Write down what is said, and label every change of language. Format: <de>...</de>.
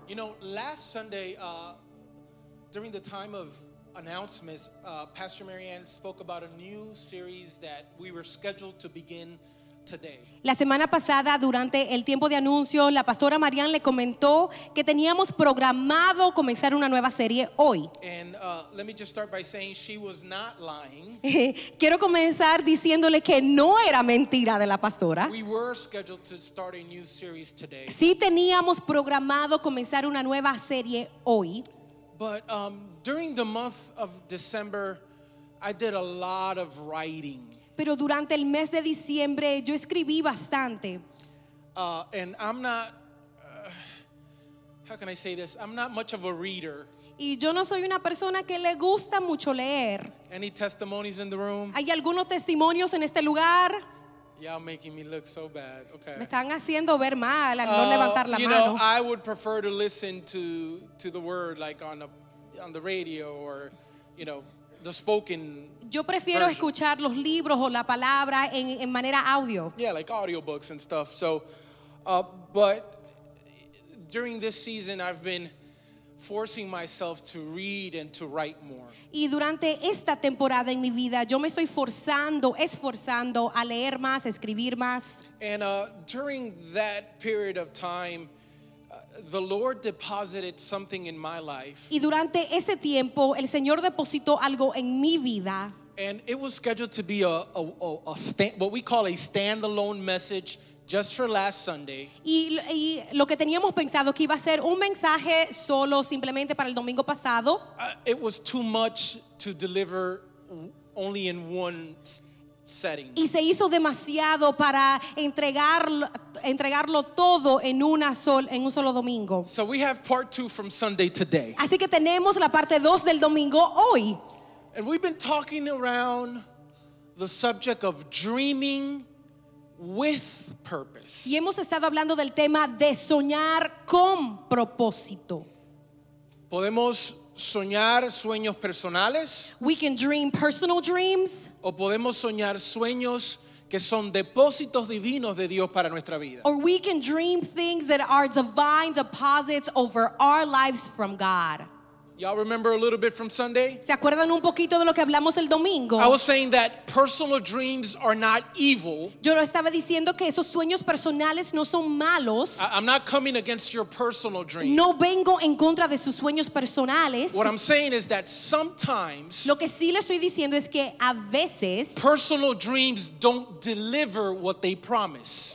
<en>You know, last Sunday, during the time of announcements, Pastor Marianne spoke about a new series that we were scheduled to begin today.</en> <es>La semana pasada, durante el tiempo de anuncio, la pastora Marianne le comentó que teníamos programado comenzar una nueva serie hoy.</es> <en>And let me just start by saying she was not lying.</en> <es>Quiero comenzar diciéndole que no era mentira de la pastora.</es> <en>We were scheduled to start a new series today.</en> <es>Sí teníamos programado comenzar una nueva serie hoy.</es> <en>But during the month of December, I did a lot of writing.</en> <es>Pero durante el mes de diciembre yo escribí bastante.</es> <en>And I'm not, how can I say this? I'm not much of a reader.</en> <es>Y yo no soy una persona que le gusta mucho leer.</es> <en>Any testimonies in the room?</en> <es>¿Hay algunos testimonios en este lugar?</es> <en>Y'all making me look so bad. Okay.</en> <es>Me están haciendo ver mal al no levantar la</es> <en>you</en> <es>mano.</es> <en>You know, I would prefer to listen to the word like on the radio or, you know, the spoken.</en> <es>Yo prefiero</es> <en>version.</en> <es>Escuchar los libros o la palabra en manera audio.</es> <en>Yeah, like audiobooks and stuff. So, but during this season, I've been forcing myself to read and to write more.</en> <es>Y durante esta temporada en mi vida, yo me estoy esforzando a leer más, a escribir más.</es> <en>And during that period of time, the Lord deposited something in my life.</en> <es>Y durante ese tiempo, el Señor depositó algo en mi vida.</es> <en>And it was scheduled to be what we call a standalone message just for last Sunday.</en> <es>Y lo que teníamos pensado que iba a ser un mensaje solo simplemente para el domingo pasado.</es> <en>It was too much to deliver only in one setting.</en> <es>Y se hizo demasiado para entregarlo todo en un solo domingo.</es> <en>So we have part two from Sunday today.</en> <es>Así que tenemos la parte dos del domingo hoy.</es> <en>And we've been talking around the subject of dreaming with purpose.</en> <es>Y hemos estado hablando del tema de soñar con propósito. Podemos soñar sueños personales.</es> <en>We can dream personal dreams.</en> <es>O podemos soñar sueños que son depósitos divinos de Dios para nuestra vida.</es> <en>Or we can dream things that are divine deposits over our lives from God. Y'all remember a little bit from Sunday?</en> <es>¿Se acuerdan un poquito de lo que hablamos el domingo?</es> <en>I was saying that personal dreams are not evil.</en> <es>Yo no estaba diciendo que esos sueños personales no son malos.</es> <en>I'm not coming against your personal dream.</en> <es>No vengo en contra de sus sueños personales.</es> <en>What I'm saying is that sometimes,</en> <es>lo que sí le estoy diciendo es que a veces,</es> <en>personal dreams don't deliver what they promise.</en>